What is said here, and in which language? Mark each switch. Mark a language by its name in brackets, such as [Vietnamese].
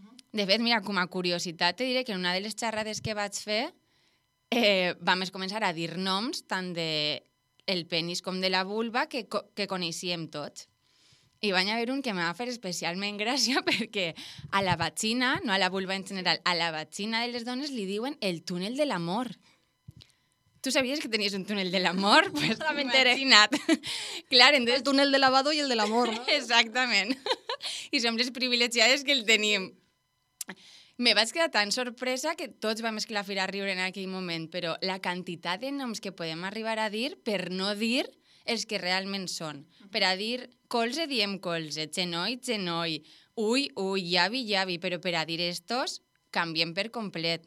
[Catalan] De fet, mira, com a curiositat, te diré que en una de les xerrades que vaig fer vam començar a dir noms tant del penis com de la vulva que coneixíem tots. I vaig haver un que em va fer especialment gràcia perquè a la vagina, no a la vulva en general, a la vagina de les dones li diuen el túnel de l'amor. [Spanish] ¿Tú sabías que tenías un túnel del amor? Pues no me enteré. Claro, entonces... El túnel de lavado y el del amor, ¿no? [Catalan] Exactament. I som les privilegiades que el tenim. Me vaig quedar tan sorpresa que tots vam esclafir a riure en aquell moment, però la quantitat de noms que podem arribar a dir per no dir els que realment són. Per a dir colze, diem colze, genoi, genoi, ui, ui, llavi, llavi, però per a dir estos, canviem per complet.